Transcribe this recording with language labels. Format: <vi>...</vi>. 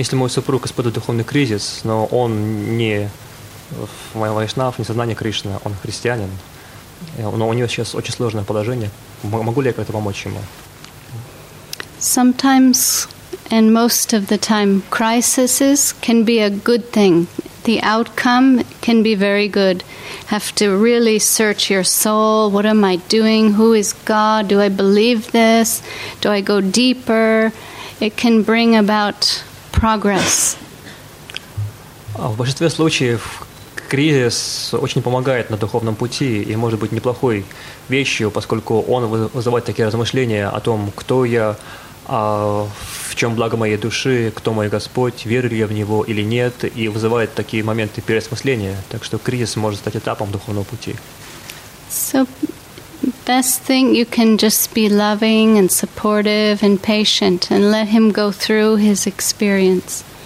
<ru>Если мой супруг испытывает духовный кризис, но он не вайшнав, не сознание Кришны, он христианин, но у него сейчас очень сложное положение, могу ли я как-то помочь ему?</ru> <en>Sometimes and most of the time, crises can be a good thing. The outcome can be very good. Have to really search your soul. What am I doing? Who is God? Do I believe this? Do I go deeper? It can bring about progress.</en> <ru>В большинстве случаев кризис очень помогает на духовном пути и может быть неплохой вещью, поскольку он вызывает такие размышления о том, кто я, в чем благо моей души, кто мой Господь, верю ли я в Него или нет, и вызывает такие моменты переосмысления. Так что кризис может стать этапом духовного пути.</ru> <en>So, best thing, you can just be loving and supportive and patient and let him go through his experience.</en>